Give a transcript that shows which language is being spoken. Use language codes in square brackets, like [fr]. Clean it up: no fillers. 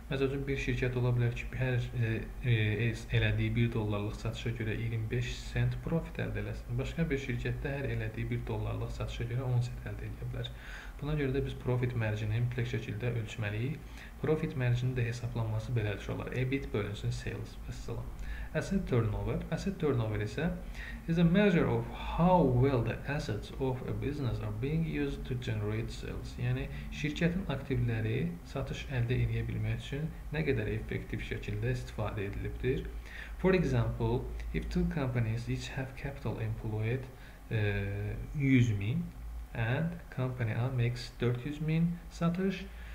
[az] Məsəl üçün bir şirkət ola bilər ki, hər elədiyi 1 dollarlıq satışa görə 25 sent profit əldə eləsin. Başqa bir şirkət də hər elədiyi 1 dollarlıq satışa görə 10 sent əldə edə bilər. Buna görə də biz profit margini mütləq şəkildə ölçməliyik. Profit margini də hesablanması belədir ki, olar. EBIT bölünsün sales və salam. [en] Asset turnover. Asset turnover isə is a measure of how well the assets of a business are being used to generate sales. [az] Yəni şirkətin aktivləri satış əldə edə bilmək üçün nə qədər effektiv şəkildə istifadə edilibdir. [en] For example, if two companies each have capital employed 100 min and company A makes 400 min satış.